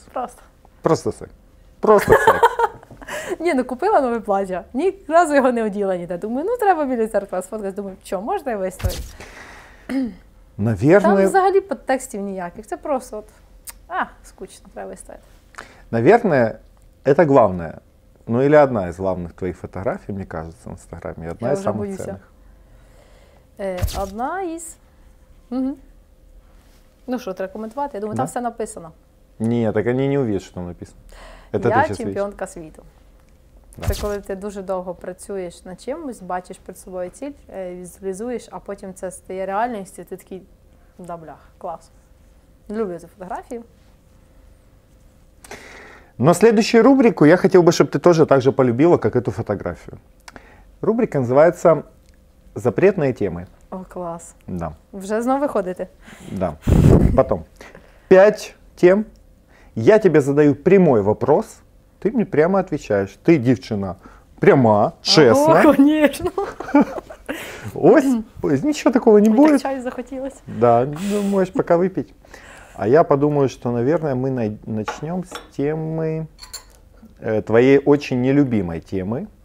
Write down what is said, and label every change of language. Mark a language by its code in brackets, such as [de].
[uk] Просто. Просто секс. Просто секс. Ні, ну купила нове плаття, ні разу його не оділа ніде. Думаю, ну треба біля церкви сфоткати. Думаю, що, можна і вистоїть? [ru] Наверное, [uk] там взагалі подтекстів ніяких, це просто от, а, скучно, треба вистояти. [ru] Наверное, это главное, ну или одна из главных твоих фотографий, мне кажется, в Инстаграме, одна из самых ценных. [uk] Одна із, угу. Ну що, треба коментувати? Я думаю, там все написано. Ні, так они не увидят, що там написано. Это я чемпіонка світу. Да. Це коли ти дуже довго працюєш над чимось, бачиш перед собою ціль, візуалізуєш, а потім це стає реальністю, ти такий, да блях, клас. Люблю цю фотографію. Ну, [ru] следующую рубрику [uk] я хотів би, щоб ти теж так же полюбила, як і ту фотографію. Рубрика називається «Запретні теми». О, клас. Да. Вже знову виходити. [ru] Да. Потом. 5 тем. Я тебе задаю прямой вопрос. [uk] Ти мені прямо відповідаєш. Ти, дівчина, пряма, чесна. О, звісно. Ось, нічого такого не буде. Так чаю захотілося. Да, ну, можеш поки випити. А я подумаю, що, мабуть, ми почнемо з теми, твоєї дуже нелюбимої теми.